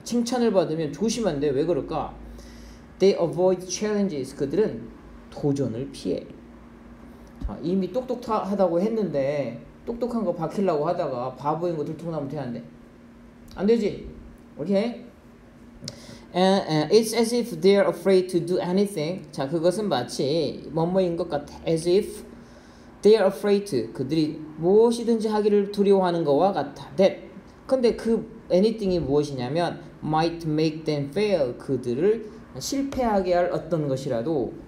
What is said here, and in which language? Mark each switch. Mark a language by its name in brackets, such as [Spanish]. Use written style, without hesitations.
[Korean] 칭찬을 받으면 조심한데 왜 그럴까? [English] They avoid challenges. [Korean] 그들은 도전을 피해. 자, 이미 똑똑하다고 했는데 똑똑한 거 박히려고 하다가 바보인 거 들통나면 되는데 안 되지? 오케이. [English] And it's as if they're afraid to do anything. [Korean] 자, 그것은 마치 뭐뭐인 것 같아. [English] As if They are afraid to. [Korean] 그들이 무엇이든지 하기를 두려워하는 것과 같아. That. 근데 그 anything이 무엇이냐면 [English] might make them fail. [Korean] 그들을 실패하게 할 어떤 것이라도